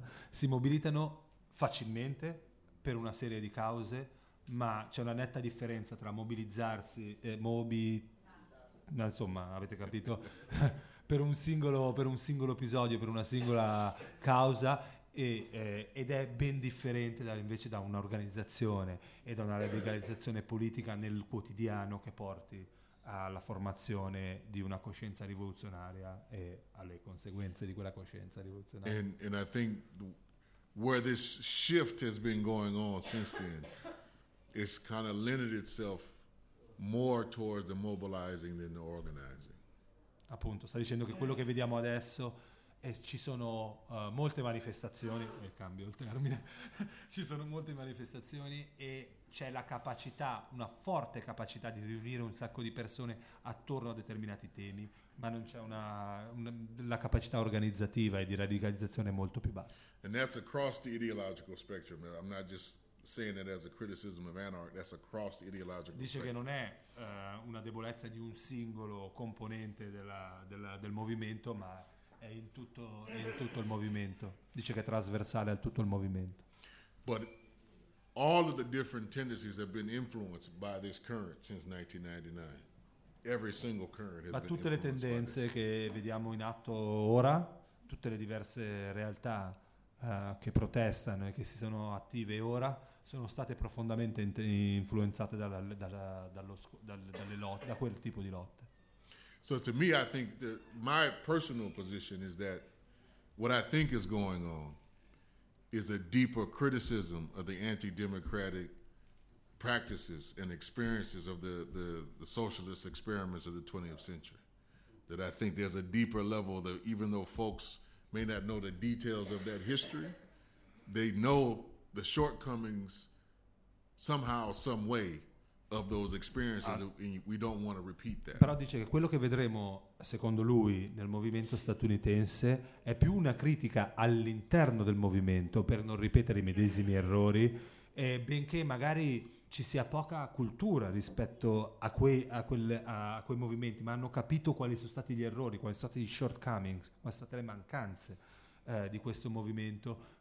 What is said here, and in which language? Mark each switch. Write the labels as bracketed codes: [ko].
[it] Si mobilitano facilmente per una serie di cause, ma c'è una netta differenza tra mobilizzarsi e insomma, avete capito, per un singolo episodio, per una singola causa. Ed è ben differente invece da un'organizzazione e da una radicalizzazione politica nel quotidiano che porti alla formazione di una coscienza rivoluzionaria e alle conseguenze di quella coscienza rivoluzionaria. [en] And I think where this shift has been going on since then, it's kind of lended itself more towards the mobilizing than the organizing. [it] Appunto, sta dicendo che quello che vediamo adesso. E ci sono molte manifestazioni, e cambio il termine, ci sono molte manifestazioni e c'è la capacità, una forte capacità di riunire un sacco di persone attorno a determinati temi, ma non c'è la capacità organizzativa e di radicalizzazione molto più bassa. [en] And that's across the ideological spectrum. I'm not just saying it as a criticism of anarch, that's across the ideological [it] dice [en] spectrum. [it] Che non è una debolezza di un singolo componente del movimento, ma è in tutto il movimento. Dice che è trasversale a tutto il movimento. [en] But all of the different tendencies have been influenced by this current since 1999. Every single current has been influenced. [it] Tutte le tendenze che vediamo in atto ora, tutte le diverse realtà che protestano e che si sono attive ora, sono state profondamente influenzate da quel tipo di lotte. [en] So to me, I think that my personal position is that what I think is going on is a deeper criticism of the anti-democratic practices and experiences of the socialist experiments of the 20th century. That I think there's a deeper level that even though folks may not know the details of that history, they know the shortcomings somehow, some way, of those experiences we don't want to repeat that. [it] Però dice che quello che vedremo secondo lui nel movimento statunitense è più una critica all'interno del movimento per non ripetere i medesimi errori, e benché magari ci sia poca cultura rispetto a quei movimenti, ma hanno capito quali sono stati gli errori, quali sono stati gli shortcomings, quali sono state le mancanze di questo movimento.